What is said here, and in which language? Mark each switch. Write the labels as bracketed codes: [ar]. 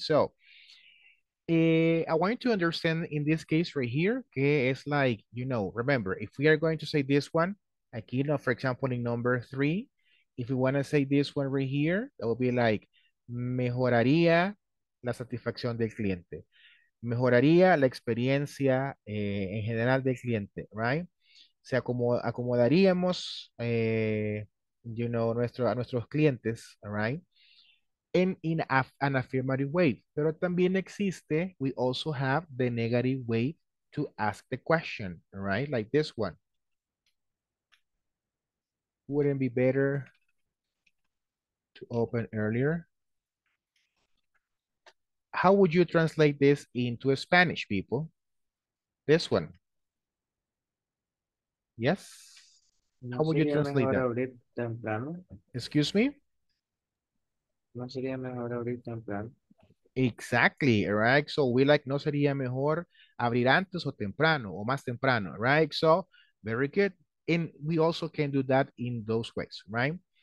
[en] So, I want you to understand in this case right here, que es like, you know, remember, if we are going to say this one, like, you know, for example, in number three, if you want to say this one right here, that would be like, [es] mejoraría la satisfacción del cliente. Mejoraría la experiencia en general del cliente, right? Se acomodaríamos, you know, a nuestros clientes, all right? [en] and in an affirmative way. [es] Pero también existe, [en] we also have the negative way to ask the question, right? Like this one. Wouldn't it be better to open earlier? How would you translate this into Spanish, people? This one. Yes? No, how would you translate that? [es] Abrir temprano. [en] Excuse me? [es] No sería mejor abrir temprano. [en] Exactly, right? So we like, [es] no sería mejor abrir antes o temprano, o más temprano, right? [en] So, very good. And we also can do that in those ways, right?